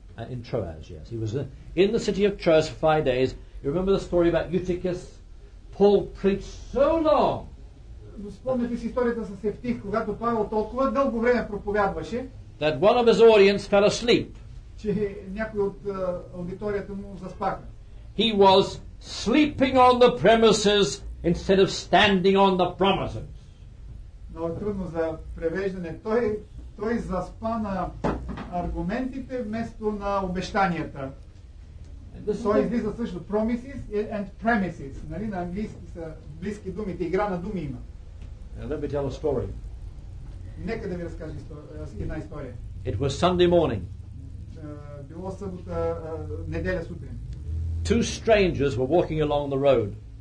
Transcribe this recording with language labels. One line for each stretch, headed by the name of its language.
English: In Troas, yes. He was in the city of Troas for 5 days. You remember the story about Eutychus? Paul preached so long.
Bulgarian: Спомнете си историята с Евтих, когато Павел толкова дълго време проповядваше.
English: That one of his audience fell asleep.
Bulgarian: Че някой от аудиторията му заспаха.
English: He was sleeping on the premises instead of standing on the promises.
Bulgarian: Но е трудно за превеждане. Той заспа на аргументите вместо на обещанията. Той излиза също
English: promises and premises.
Bulgarian: Нали, на английски са близки думите, игра на думи има.
English: Now, let me tell a story.
Bulgarian: Нека да ви разкажа една история.
English: It was Sunday morning.
Bulgarian: Било събота, неделя сутрин.
English: Two strangers were walking along the road.